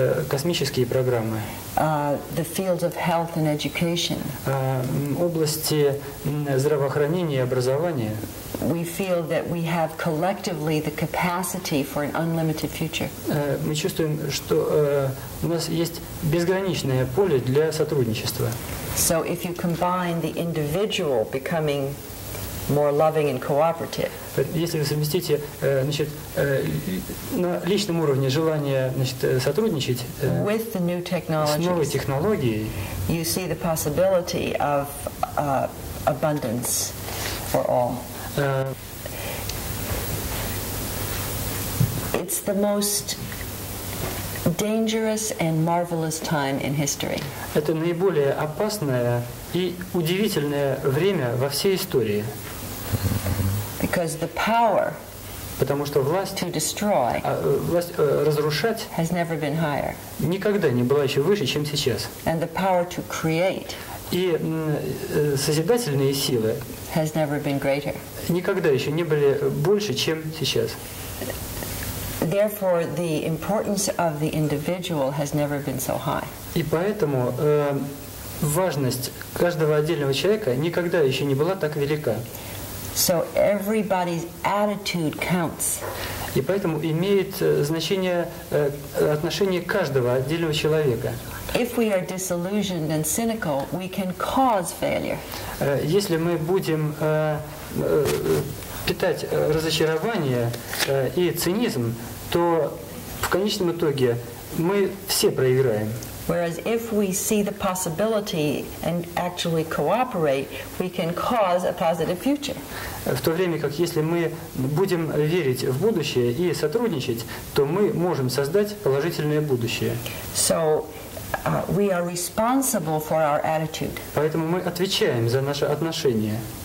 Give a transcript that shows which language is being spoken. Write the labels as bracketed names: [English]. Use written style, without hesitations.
[Russian] космические программы, [English] the field of health and education, [Russian] области здравоохранения и образования. [English] We feel that we have collectively the capacity for an unlimited future. [Russian] Мы чувствуем, что у нас есть безграничное поле для сотрудничества. [English] So if you combine the individual becoming more loving and cooperative. [Russian] Если вы совместите, значит, на личном уровне желание, значит, сотрудничать [English] with the new technologies, [Russian] с новой технологией, [English] you see the possibility of abundance for all. It's the most dangerous and marvelous time in history. [Russian] Это наиболее опасное и удивительное время во всей истории. [English] Because the power, [Russian] потому что власть, [English] to destroy, [Russian] власть разрушать, [English] has never been higher. [Russian] Никогда не была еще выше, чем сейчас. [English] And the power to create, [Russian] и созидательные силы, [English] has never been greater. [Russian] Никогда еще не были больше, чем сейчас. [English] Therefore, the importance of the individual has never been so high. [Russian] И поэтому важность каждого отдельного человека никогда еще не была так велика. [English] So everybody's attitude counts. [Russian] И поэтому имеет значение отношение каждого отдельного человека. [English] If we are disillusioned and cynical, we can cause failure. [Russian] Если мы будем питать разочарование и цинизм, то в конечном итоге мы все проиграем. [English] Whereas if we see the possibility and actually cooperate, we can cause a positive future. [Russian] В то время как если мы будем верить в будущее и сотрудничать, то мы можем создать положительное будущее. [English] So we are responsible for our attitude. [Russian] Поэтому мы отвечаем за наше отношение.